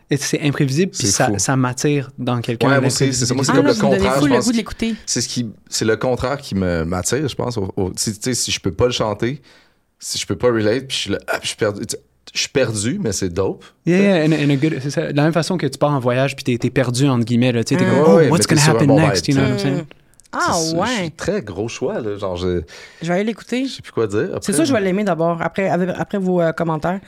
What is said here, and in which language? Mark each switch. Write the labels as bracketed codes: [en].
[fr] Et c'est imprévisible, puis ça m'attire dans quelqu'un. Ouais, c'est comme là, le contraire. Fou, je pense, le goût de l'écouter. C'est le contraire qui m'attire, je pense. Si je peux pas le chanter, si je peux pas relate, puis je suis perdu, mais c'est dope. C'est ça. De la même façon que tu pars en voyage, puis t'es perdu, entre guillemets, là. T'es comme, oh, [en] what's gonna happen next, you know what I'm saying? [fr] Ah ouais. C'est un très gros choix là, genre je vais aller l'écouter. Je sais plus quoi dire. Après, c'est ça, je vais l'aimer d'abord après vos commentaires.